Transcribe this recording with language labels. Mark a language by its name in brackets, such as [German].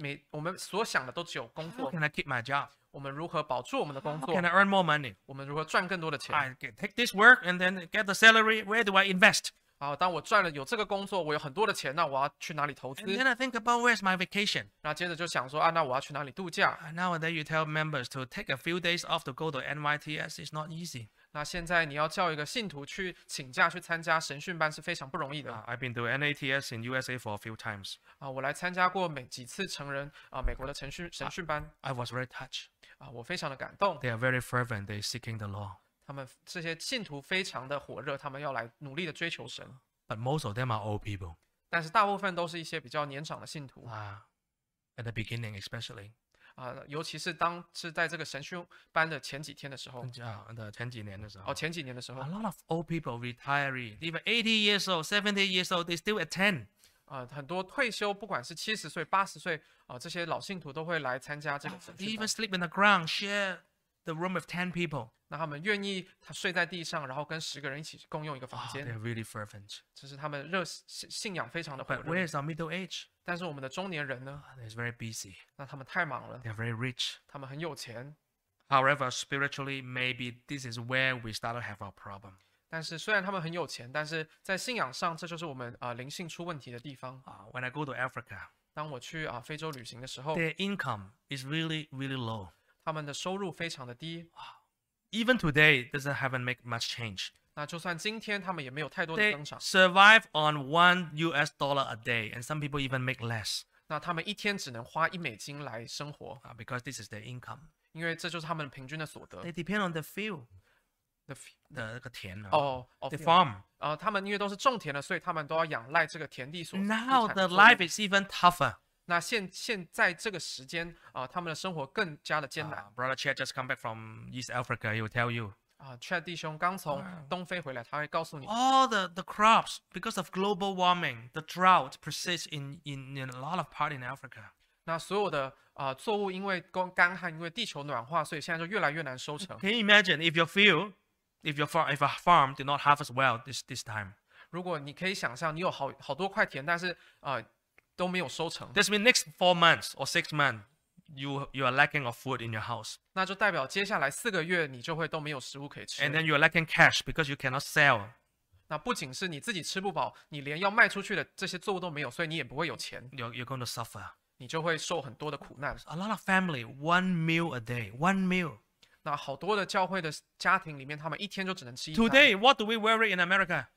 [Chinese] 我们所想的都只有工作。 [English] How can I keep my job？ [Chinese] 我们如何保住我们的工作 [English] ？How can I earn more money？ [Chinese] 我们如何赚更多的钱 [English] ？I can take this work and then get the salary. Where do I invest？ [Chinese] 当我赚了有这个工作，我有很多的钱，那我要去哪里投资 [English] ？And then I think about where's my vacation。 [Chinese] 那接着就想说那我要去哪里度假 [English] ？Now that you tell members to take a few days off to go to NYTS is not easy。 [Chinese] 那现在你要叫一个信徒去请假去参加神训班是非常不容易的。 [English] I've been to NATS in USA for a few times。 [Chinese] 我来参加过几次成人美国的神训班。 [English] I was very touched。 [Chinese] 我非常的感动。 [English] They are very fervent. They seeking the Lord。 [Chinese] 他们这些信徒非常的火热，他们要来努力的追求神。 [English] But most of them are old people。 [Chinese] 但是大部分都是一些比较年长的信徒。 [English] At the beginning, especially。 [Chinese] 尤其是当是在这个神训班的前几天的时候，前几年的时候 [English] ，a lot of old people retiring, even 80 years old, 70 years old, they still attend。 [Chinese] 很多退休，不管是70岁、80岁，这些老信徒都会来参加这个神训班。 [English] Even sleep in the ground, share the room with 10 people。 [Chinese] 那他们愿意睡在地上，然后跟10个人一起共用一个房间。 [English] They're really fervent。 [Chinese] 这是他们热信仰非常的火热。 [English] But where is our middle age？ [Chinese] 但是我们的中年人呢 [English] ？They're very busy。 [Chinese] 那他们太忙了。 [English] They're very rich。 [Chinese] 他们很有钱。 [English] However, spiritually, maybe this is where we start to have our problem。 [Chinese] 但是虽然他们很有钱，但是在信仰上，这就是我们灵性出问题的地方。 [English] When I go to Africa， [Chinese] 当我去非洲旅行的时候 [English] ，Their income is really, really low。 [Chinese] 他们的收入非常的低。 [English] Even today doesn't haven't make much change。 [Chinese] 那就算今天他们也没有太多的增长。 [English] They survive on $1 a day, and some people even make less. [Chinese] 那他们一天只能花$1来生活。 [English] Because this is their income. [Chinese] 因为这就是他们平均的所得。 [English] They depend on the field, the [Chinese] 那个田啊。 [English] The farm. [Chinese] 他们因为都是种田的，所以他们都要仰赖这个田地所。 [English] Now the life is even tougher. [Chinese] 那现在这个时间他们的生活更加的艰难。 [English] Brother Chad just come back from East Africa. He will tell you. [Chinese] Chad 弟兄刚从东非回来，他会告诉你 [English] ，All the crops because of global warming, the drought persists in a lot of part in Africa. [Chinese] 那所有的作物因为干旱，因为地球暖化，所以现在就越来越难收成。 [English] Can you imagine if your field, if a farm did not harvest well this time? [Chinese] 如果你可以想象，你有好多块田，但是都没有收成。 [English] This means next 4 months or 6 months. You are lacking of food in your house. [Chinese] 那就代表接下来四个月你就会都没有食物可以吃。 [English] And then you are lacking cash because you cannot sell. [Chinese] 那不仅是你自己吃不饱，你连要卖出去的这些作物都没有，所以你也不会有钱。 [English] You're going to suffer. [Chinese] 你就会受很多的苦难。 [English] A lot of family, one meal a day, one meal. [Chinese] 那好多的教会的家庭里面，他们一天就只能吃一餐。 [English] Today, what do we worry in America?